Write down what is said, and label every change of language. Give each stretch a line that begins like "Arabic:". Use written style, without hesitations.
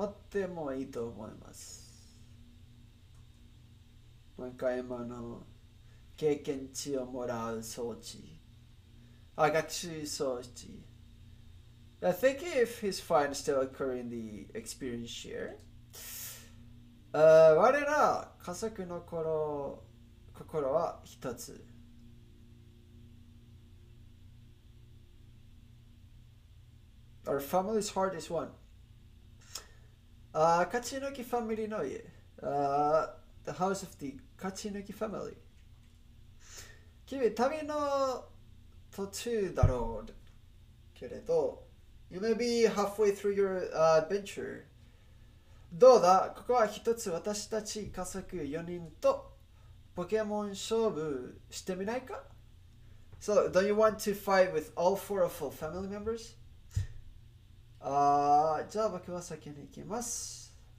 Japanese: でもいいと思います。なんか今の経験値をもらう装置、学習装置。
English: I think if he's fine still occurring the experience share.
Japanese: 我ら家族の頃、心は一つ。
English: Our family's heart is one.
Japanese: 勝ち抜きファミリーの家。
English: The house of the 勝ち抜きファミリー。
Japanese: 君、旅の途中だろうけれど、
English: You may be halfway through your adventure.
Japanese: どうだ？ここは一つ私たち家族4人とポケモン勝負してみないか？
English: So, don't you want to fight with all four of our family members?
Japanese: じゃあ僕は先に行きます。